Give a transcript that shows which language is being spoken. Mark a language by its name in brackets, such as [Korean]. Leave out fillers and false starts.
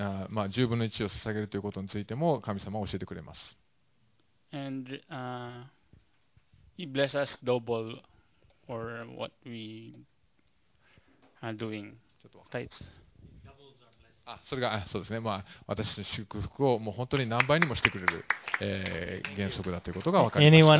[Japanese] まあ、十分の一を捧げるということについても神様は教えてくれます。 [English] And, He bless us double for what we are doing. [Japanese] ちょっと、あ、それが、そうですね、まあ、私の祝福をもう本当に何倍にもしてくれる、原則だということが分かりました。